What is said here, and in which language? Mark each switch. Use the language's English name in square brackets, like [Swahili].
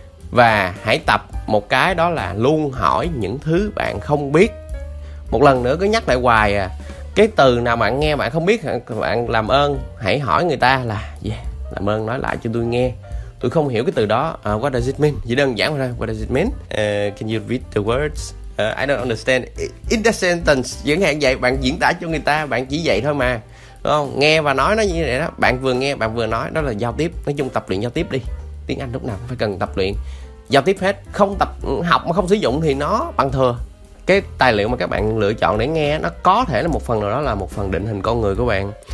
[Vietnamese] Và hãy tập một cái đó là luôn hỏi những thứ bạn không biết. Một lần nữa cứ nhắc lại hoài à, cái từ nào bạn nghe bạn không biết, bạn làm ơn hãy hỏi người ta là [English] yeah, [Vietnamese] làm ơn nói lại cho tôi nghe, tôi không hiểu cái từ đó. [English] What does it mean? [Vietnamese] Chỉ đơn giản thôi. [English] What does it mean? Can you read the words? I don't understand in that sentence. [Vietnamese] Chẳng hạn vậy, bạn diễn tả cho người ta, bạn chỉ vậy thôi mà. Đúng không? Nghe và nói nó như vậy đó. Bạn vừa nghe bạn vừa nói, đó là giao tiếp. Nói chung tập luyện giao tiếp đi. Tiếng Anh lúc nào cũng phải cần tập luyện giao tiếp hết. Không tập học mà không sử dụng thì nó bằng thừa. Cái tài liệu mà các bạn lựa chọn để nghe, nó có thể là một phần nào đó là một phần định hình con người của bạn.